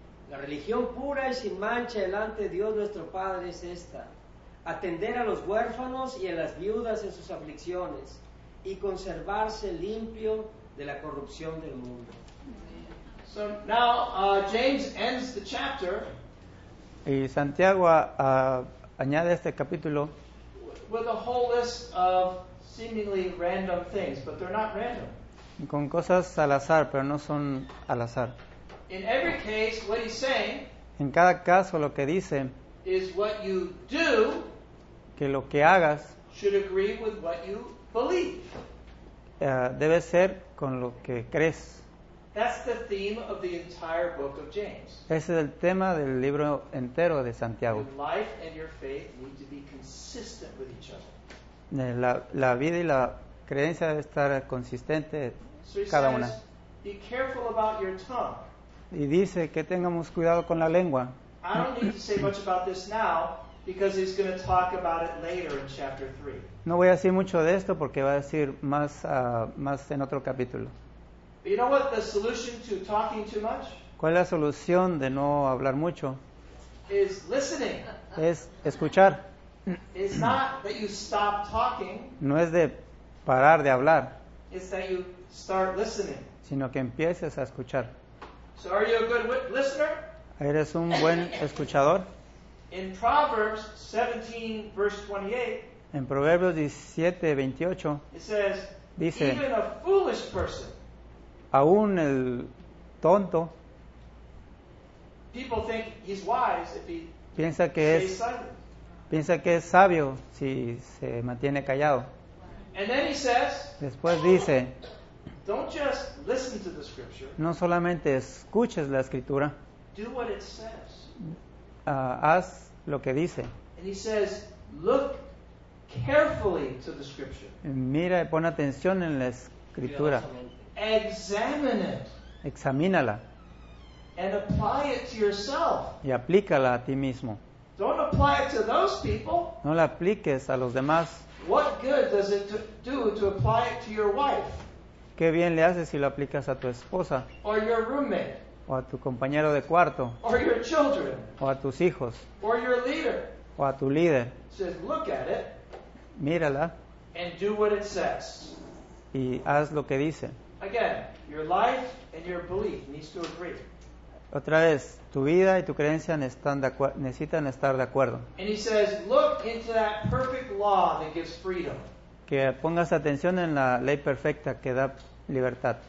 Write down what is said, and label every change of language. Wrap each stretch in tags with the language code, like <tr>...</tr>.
<es>La religión pura y sin mancha delante de Dios nuestro Padre es esta: atender a los huérfanos y a las viudas en sus aflicciones, y conservarse limpio de la corrupción del mundo.</es> <en>So now James ends the chapter.</en> <es>Y Santiago añade este capítulo</es> <en>with a whole list of seemingly random things, but they're not random.</en> <es>Con cosas al azar, pero no son al azar.</es> <en>In every case, what he's saying,</en> <es>en cada caso lo que dice,</es> <en>is what you do,</en> <es>que lo que hagas,</es> <en>should agree with what you believe.</en> <es>Debe ser con lo que crees.</es> <en>That's the theme of the entire book of James.</en> <es>Ese es el tema del libro entero de Santiago.</es> <en>Your life and your faith need to be consistent with each other.</en> <es>La vida y la creencia debe estar consistente cada una.</es> <en>Be careful about your tongue.</en> <es>Y dice que tengamos cuidado con la lengua.</es> <en>I don't need to say much about this now, because he's going to talk about it later in chapter 3.</en> <es>No voy a decir mucho de esto porque va a decir más en otro capítulo.</es> <en>You know what the solution to talking too much?</en> <es>¿Cuál es la solución de no hablar mucho?</es> <en>Is listening.</en> <es>Es escuchar.</es> <en>It's not that you stop talking.</en> <es>No es de parar de hablar.</es> <en>It's that you start listening.</en> <es>Sino que empieces a escuchar.</es> <en>So are you a good listener?</en> <es>¿Eres un buen escuchador?</es> <en>In Proverbs 17, verse 28,</en> <es>en Proverbios 17, 28,</es> <en>it says,</en> <es>dice,</es> <en>even a foolish person,</en> <es>aún el tonto,</es> <en>people think he's wise if he</en> <es>piensa que</es> <en>stays</en> <es>es,</es> <en>silent.</en> <es>Piensa que es sabio si se mantiene callado.</es> <en>And then he says,</en> <es>después dice,</es> <en>don't just listen to the scripture,</en> <es>no solamente escuches la escritura,</es> <en>do what it says.</en> <es>Haz lo que dice.</es> <en>And he says, look carefully to the scripture.</en> <es>Mira y pon atención en la escritura.</es> <en>Examine it.</en> <es>Examínala.</es> <en>And apply it to yourself.</en> <es>Y aplícala a ti mismo.</es> <en>Don't apply it to those people.</en> <es>No la apliques a los demás.</es> <en>What good does it do to apply it to your wife?</en> <es>¿Qué bien le haces si lo aplicas a tu esposa?</es> <en>Or your roommate.</en> <es>O a tu compañero de cuarto.</es> <en>Or your children.</en> <es>O a tus hijos.</es> <en>Or your leader.</en> <es>O a tu líder.</es> <en>Says, look at it.</en> <es>Mírala.</es> <en>And do what it says.</en> <es>Y haz lo que dice.</es> <en>Again, your life and your belief needs to agree.</en> <es>Otra vez, tu vida y tu creencia necesitan estar de acuerdo.</es> <en>And he says, look into that perfect law that gives freedom.</en> <es>Que pongas atención en la ley perfecta que da libertad.</es>